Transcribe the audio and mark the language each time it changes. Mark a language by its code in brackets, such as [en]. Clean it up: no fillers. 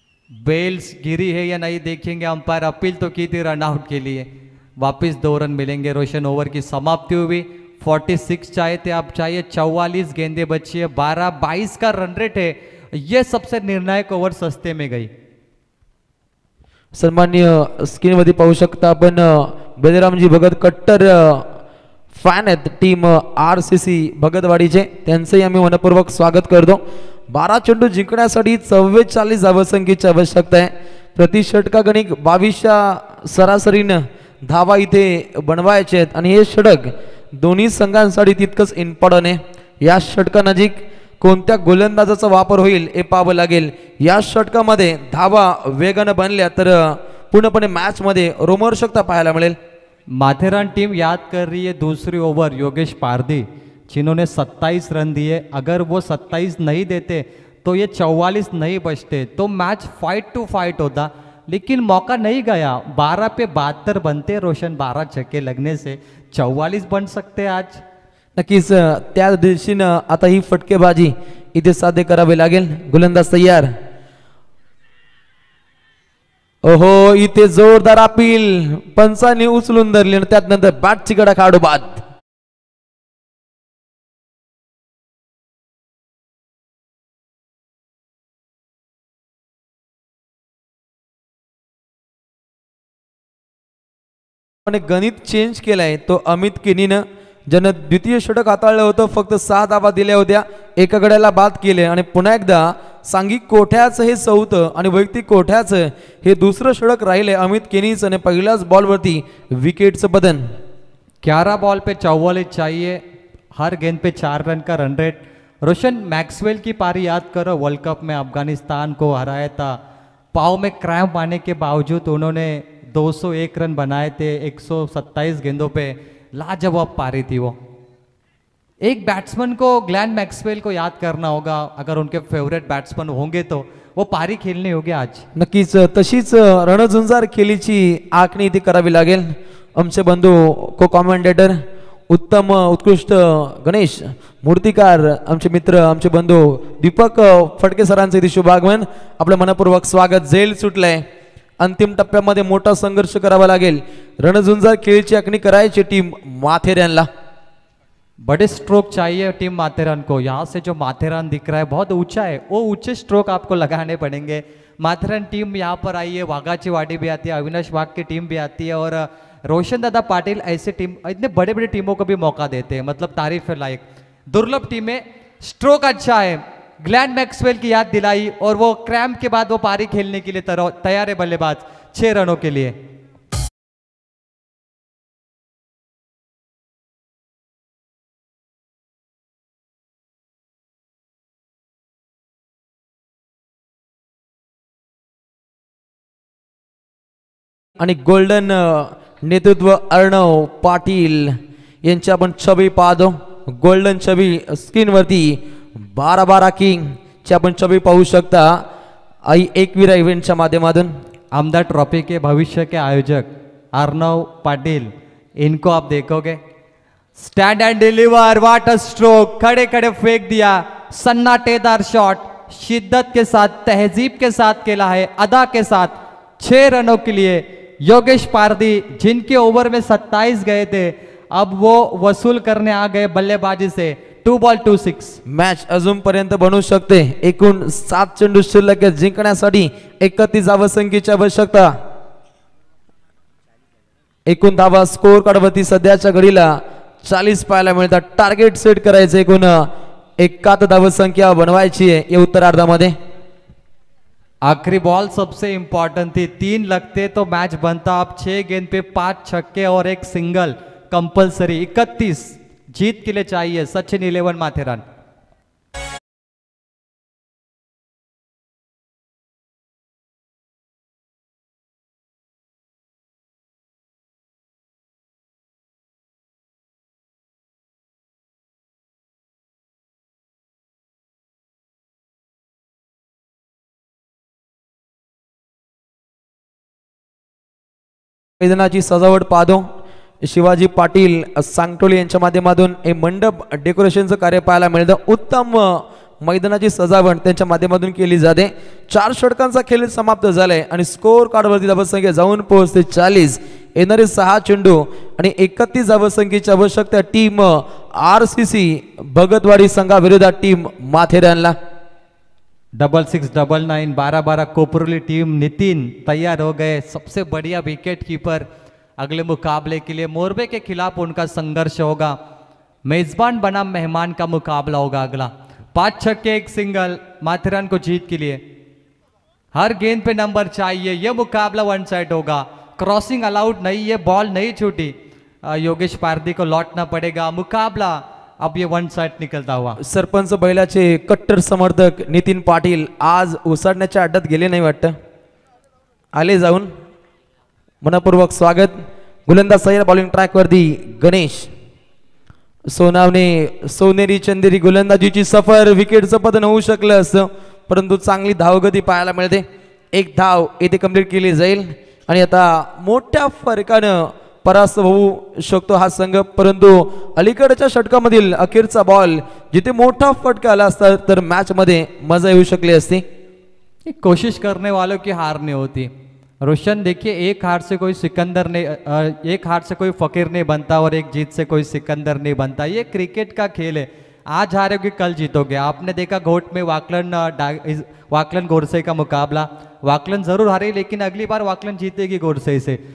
[hi] Bells गिरी है या नहीं देखेंगे अंपायर, अपील तो की थी रन आउट के लिए। वापिस दो रन मिलेंगे, रोशन ओवर की समाप्ति हुई। 46 चाहे थे, अब चाहिए 44 गेंदे बची है, 12 22 का रन रेट है। यह सबसे निर्णायक ओवर सस्ते में गई। [mr] सन्माननीय स्क्रीन मध्ये पाहू शकता आपण बेदरामजी भगत कट्टर फॅन आहेत टीम आरसीसी भगतवाडीचे, त्यांचंही आम्ही मनपूर्वक स्वागत करतो। 12 चेंडू जिंकण्यासाठी 44 धावसंख्येची आवश्यकता आहे, प्रति षटका गणिक 22 सरासरीनं धावा इथे बनवायचे आहेत आणि हे षटक दोन्ही संघांसाठी तितकंच इम्पॉर्टंट आहे। या षटकानजीक कोणत्या गोलंदाजाचा वापर होईल हे पाहावं लागेल। या षटकामध्ये धावा वेगानं बनल्या तर पूर्णपणे मॅचमध्ये रोमहर्षकता पाहायला मिळेल। [hi] माथेरान टीम याद कर रही है दूसरी ओवर, योगेश पारदी जिन्होंने 27 रन दिए, अगर वो 27 नहीं देते तो ये 44 नहीं बचते, तो मैच [en] fight to fight [hi] होता, लेकिन मौका नहीं गया। 12 पे 72 बनते रोशन, 12 छक्के लगने से 44 बन सकते आज। [mr] नक्कीच त्या दिवशी न आता ही फटकेबाजी इथे साध्य करावी लागेल। गोलंदाज तयार, ओहो इथे जोरदार अपील, पंचांनी उचलून धरली आणि त्यानंतर बॅटची कडा काढू बाद। गणित चेंज केलंय तो अमित किनीनं, ज्यानं द्वितीय षटक हाताळलं होतं, फक्त 6 धावा दिल्या होत्या, एका गड्याला बाद केले आणि पुन्हा एकदा सांघिक कोठ्याचं हे चौथं आणि वैयक्तिक कोठ्याचं हे दुसरं षटक राहिले अमित केनीचं आणि पहिल्याच बॉलवरती विकेटचं बदन। [hi] 11 बॉल पे 44 चाहिए, हर गेंद पे 4 रन का रन रेट। रोशन मॅक्सवेल की पारी याद करो, वर्ल्ड कप में अफगानिस्तान को हराया था, पाव में क्रैम्प आने के बावजूद उन्होंने 201 रन बनाए थे 127 गेंदों पे, लाजवाब पारी थी वो। एक बैट्समैन को ग्लेन मैक्सवेल को याद करना होगा, अगर उनके फेवरेट बैट्समैन होंगे तो वो पारी खेलने होगी आज। [mr] नक्कीच तशीच रणझुंजार खेलीची आखणी इथे करावी लागेल। आमचे बंधू को कमेंटेटर उत्तम उत्कृष्ट गणेश मूर्तिकार, आमचे मित्र, आमचे बंधू दीपक फटके सरांचं इथे शुभागमन, आपलं मनपूर्वक स्वागत। जेल सुटलंय, अंतिम टप्प्यामध्ये मोठा संघर्ष करावा लागेल, रणझुंजार खेळीची आखणी करायची टीम माथेरानला। [hi] बड़े स्ट्रोक चाहिए टीम माथेरान को, यहाँ से जो माथेरान दिख रहा है बहुत ऊंचा है, वो ऊंचे स्ट्रोक आपको लगाने पड़ेंगे। माथेरान टीम यहाँ पर आई है, वागाची वाड़ी भी आती है, अविनाश वाघ की टीम भी आती है, और रोशन दादा पाटिल ऐसे टीम, इतने बड़े बड़े टीमों को भी मौका देते हैं, मतलब तारीफ है लायक। दुर्लभ टीमें, स्ट्रोक अच्छा है, ग्लेन मैक्सवेल की याद दिलाई और वो क्रैम्प के बाद वो पारी खेलने के लिए तैयार है बल्लेबाज 6 रनों के लिए। [mr] आणि गोल्डन नेतृत्व अर्णव पाटील यांची आपण छबी पाहतो, गोल्डन छबी स्क्रीनवरती 12-12 किंग ची आपण छबी पाहू शकता आई एकवीरा इव्हेंटच्या माध्यमातून। [hi] आमदार ट्रॉफी के भविष्य के आयोजक अर्णव पाटील, इनको आप देखोगे, [en] stand and deliver, what a stroke, [hi] खडे खडे फेक दिया, सन्नाटेदार शॉट, शिद्दत के साथ, तहजीब के साथ केला है, अदा के साथ 6 रनों के लिए। योगेश पारदी जिनके ओवर में 27 गए थे, अब वो वसूल करने आ गए बल्लेबाजी से 2 बॉल 2 सिक्स। [mr] मैच अजून पर्यंत बनू शकते, एकूण 7 चेंडू शिल्लक आहे, जिंकण्यासाठी 31 धावसंख्येची आवश्यकता, एकूण धावा स्कोर कार्डवरती सध्याच्या घडीला 40 पाहायला मिळतात। टार्गेट सेट करायचं, एकूण 71 धावसंख्या बनवायची आहे या उत्तरार्धामध्ये। [hi] आखिरी बॉल सबसे इम्पॉर्टेंट थी, 3 लगते तो मैच बनता, अब 6 गेंद पे 5 छक्के और 1 सिंगल कंपलसरी, 31 जीत के लिए चाहिए सचिन 11 माथेरान। [mr] आयोजनाची सजावट पाहतो। शिवाजी पाटील सांगटोली यांच्या माध्यमातून हे मंडप डेकोरेशनचं कार्य पाहायला मिळतं। उत्तम मैदानाची सजावट त्यांच्या माध्यमातून केली जाते। चार षटकांचा खेळ समाप्त झालाय आणि स्कोर कार्डवरती धावसंख्या जाऊन पोहोचते 40। येणारे 6 चेंडू आणि 31 धावसंख्येची आवश्यकता टीम RCC भगतवाडी संघाविरुद्ध टीम माथेरानला। [hi] 6699 12 12 कोपरुली टीम नितिन तैयार हो गए, सबसे बढ़िया विकेट कीपर अगले मुकाबले के लिए। मोरबे के खिलाफ उनका संघर्ष होगा, मेजबान बना मेहमान का मुकाबला होगा अगला। 5 छक्के 1 सिंगल माथेरान को जीत के लिए, हर गेंद पे नंबर चाहिए। यह मुकाबला वन साइड होगा, क्रॉसिंग अलाउड नहीं है, बॉल नहीं छूटी, योगेश पारदी को लौटना पड़ेगा। मुकाबला अब ये वन साइड निकलता हुआ। [mr] सरपंच बैलाचे कट्टर समर्थक नितिन पाटील आज उसडण्याच्या अड्डत गेले नाही वाटतं, आले जाऊन मनपूर्वक स्वागत। गोलंदाज सैर बॉलिंग ट्रॅक वरती गणेश सोनावने सोनेरी चंदेरी गोलंदाजीची सफर, विकेटचं पतन होऊ शकलं असतं परंतु चांगली धावगती पाहायला मिळते। एक धाव येथे कंप्लीट केली जाईल आणि आता मोठ्या फरकानं परास्त होऊ शकतो हा संघ। परंतु अलीकडच्या षटकामधील अखेरचा बॉल जिथे मोठा फटका आला असता तर मॅचमध्ये मजा येऊ शकली असती। [hi] कोशिश करणे वालो की हार नाही होती। रोशन देखिए, एक हार से कोई सिकंदर नहीं, एक हार से कोई फकीर नहीं बनता और एक जीत से कोई सिकंदर नहीं बनता। ये क्रिकेट का खेल है, आज हारोगे कल जीतोगे। आपने देखा घोट में वाकलन गोरसे का मुकाबला, वाकलन जरूर हारे लेकिन अगली बार वाकलन जीतेगी गोरसे से।